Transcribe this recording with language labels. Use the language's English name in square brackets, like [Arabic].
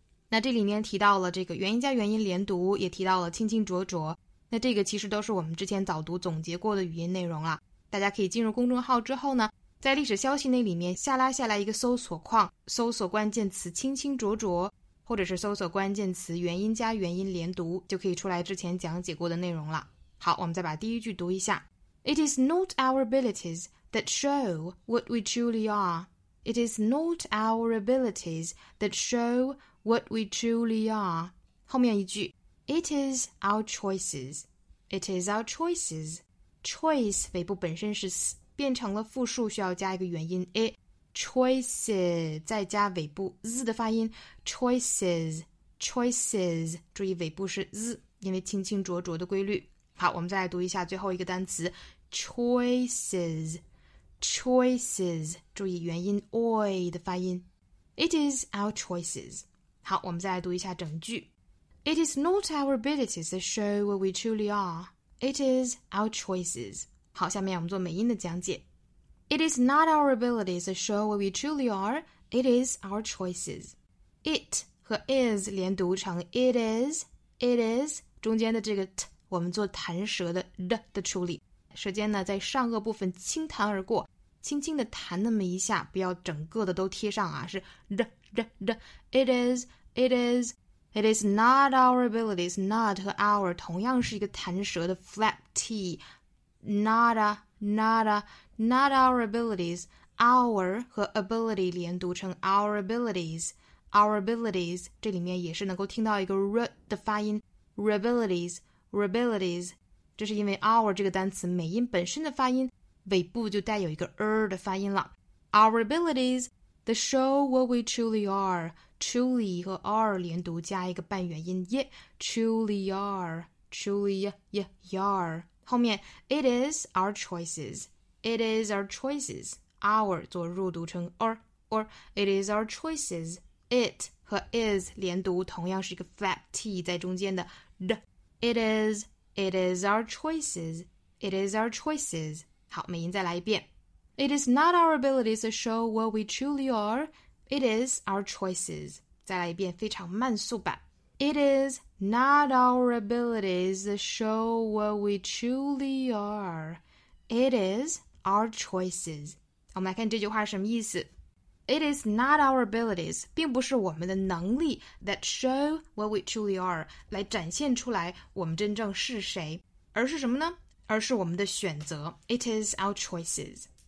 [Chinese] 那这里面提到了这个元音加元音连读，也提到了清清浊浊，那这个其实都是我们之前早读总结过的语音内容了。大家可以进入公众号之后呢，在历史消息那里面下拉下来一个搜索框，搜索关键词清清浊浊，或者是搜索关键词元音加元音连读，就可以出来之前讲解过的内容了。好，我们再把第一句读一下。 [English] It is not our abilities that show what we truly are. It is not our abilities that show what we truly are. [Chinese] 后面一句 [English] It is our choices. It is our choices. [Chinese] Choice 尾部本身是 s 变成了复数，需要加一个元音 i. Choices 再加尾部 z 的发音 [English] choices, choices. [Chinese] 注意尾部是 z, 因为清清浊浊的规律。好，我们再来读一下最后一个单词 [English] Choices, choices, [Chinese] 注意元音 oi 的发音。 [English] It is our choices. [Chinese] 好，我们再来读一下整句。 [English] It is not our abilities that show what we truly are. It is our choices. [Chinese] 好，下面我们做美音的讲解。 [English] It is not our abilities that show what we truly are. It is our choices. It 和 is 连读成 it is, it is, [Chinese] 中间的这个 t 我们做弹舌的 d 的处理。舌尖呢在上颚部分轻弹而过，轻轻的弹那么一下，不要整个的都贴上啊，是 r r r. [English] It is, it is, it is not our abilities. [Chinese] Not 和 our 同样是一个弹舌的 flap t. [English] Not a, not a, not our abilities. Our 和 ability [Chinese] 连读成 [English] our abilities, our abilities. [Chinese] 这里面也是能够听到一个 r 的发音 r abilities, r abilities. 这是因为 our 这个单词美音本身的发音尾部就带有一个 的发音了。 [English] Our abilities that show what we truly are. Truly 和 are [Chinese] 连读加一个半元音 [English] ye, truly are, truly ye, are. 后面 it is our choices. It is our choices. Our 做弱读成 or it is our choices. [Chinese] It 和 is 连读同样是一个 flap t 在中间的 d. [English] It is,It is our choices. It is our choices. [Chinese] 好，美音再来一遍。 [English] It is not our abilities to show what we truly are. It is our choices. [Chinese] 再来一遍，非常慢速版。 [English] It is not our abilities to show what we truly are. It is our choices. [Chinese] 我们来看这句话是什么意思。 [English] It is not our abilities, [Chinese] 并不是我们的能力 [English] that show what we truly are, [Chinese] 来展现出来我们真正是谁，而是什么呢？而是我们的选择。 [English] It is our choices.